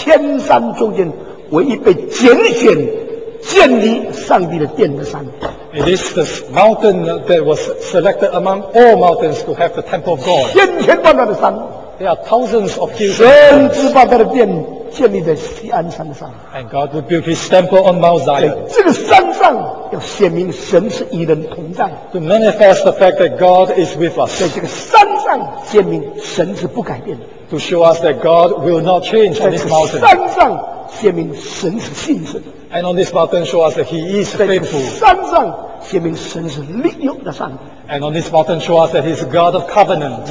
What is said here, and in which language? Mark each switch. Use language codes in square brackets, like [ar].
[zh] 西安是众山万山千山中间唯一被拣选 建立上帝的殿的山。 [en] It is the mountain that was selected among all mountains to have the temple of God. [zh] 千千万万的山。 [en] There are thousands of hills. [zh] 神之巴特的殿建立在锡安山上。 [en] And God will build his temple on Mount Zion. [zh] 这个山上要显明神是与人同在。 [en] To manifest the fact that God is with us. [zh] 在这个山上显明神是不改变的。 [en] To show us that God will not change on this mountain. [zh] 在这个山上显明神是信实的。 [en] And on this mountain show us that He is faithful. [zh] 山上, 显明神是立约的上帝, [en] and on this mountain show us that He is God of covenant.